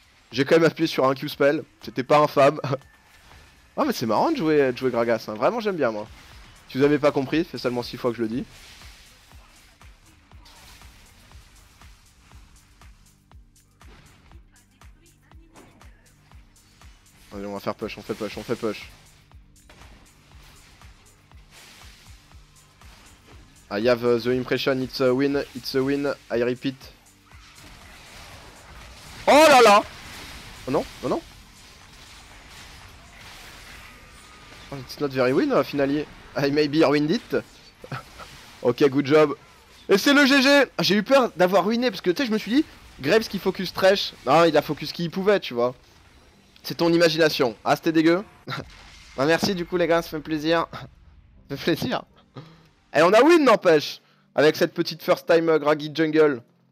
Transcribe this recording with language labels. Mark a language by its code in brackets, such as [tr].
[fr] J'ai quand même appuyé sur un Q-spell, c'était pas infâme. Ah, mais c'est marrant de jouer Gragas, hein. Vraiment j'aime bien, moi. Si vous avez pas compris, c'est seulement 6 fois que je le dis. Allez, on va faire push, on fait push. [en] I have the impression, it's a win, I repeat. [fr] Oh là là! Oh non. [en] It's not very win, [fr] finalement. [en] I may be ruined it. Ok, good job. [fr] Et c'est le GG. J'ai eu peur d'avoir ruiné, parce que, tu sais, je me suis dit, Graves qui focus Thresh. Non, il a focus qui il pouvait, tu vois. C'est ton imagination. Ah, c'était dégueu. Bah, merci, du coup, les gars, ça fait plaisir. Et on a win, n'empêche. Avec cette petite first time Graggy Jungle.